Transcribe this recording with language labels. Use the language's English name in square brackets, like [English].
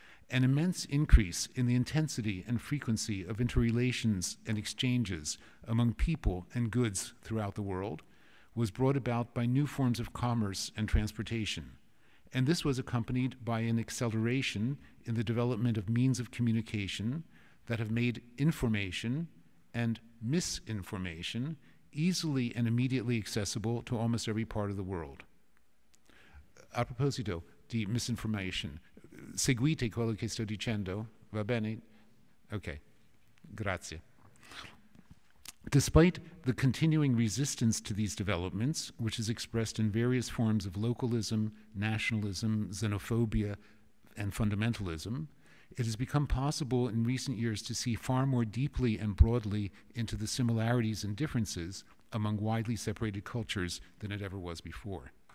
[English] An immense increase in the intensity and frequency of interrelations and exchanges among people and goods throughout the world was brought about by new forms of commerce and transportation. And this was accompanied by an acceleration in the development of means of communication that have made information and misinformation easily and immediately accessible to almost every part of the world. [Italian] A proposito di misinformation, seguite quello che sto dicendo, va bene? Okay, grazie. [English] Despite the continuing resistance to these developments, which is expressed in various forms of localism, nationalism, xenophobia, and fundamentalism, it has become possible in recent years to see far more deeply and broadly into the similarities and differences among widely separated cultures than it ever was before.